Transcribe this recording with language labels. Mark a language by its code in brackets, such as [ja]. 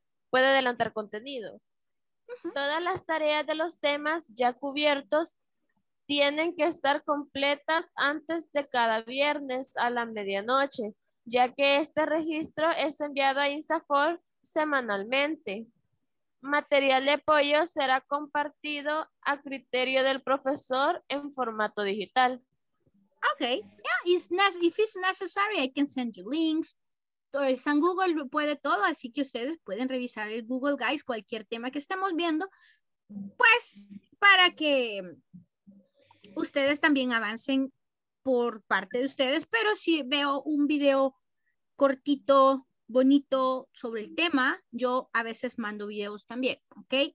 [es] Puede adelantar contenido. Todas las tareas de los temas ya cubiertos tienen que estar completas antes de cada viernes a la medianoche, ya que este registro es enviado a INSAFOR semanalmente. Material de apoyo será compartido a criterio del profesor en formato digital. [en] Okay, yeah, if it's necessary, I can send you links. [es] San Google puede todo, así que ustedes pueden revisar el Google Guys, cualquier tema que estemos viendo, pues para que ustedes también avancen por parte de ustedes. Pero si veo un video cortito, bonito sobre el tema, yo a veces mando videos también, ¿ok?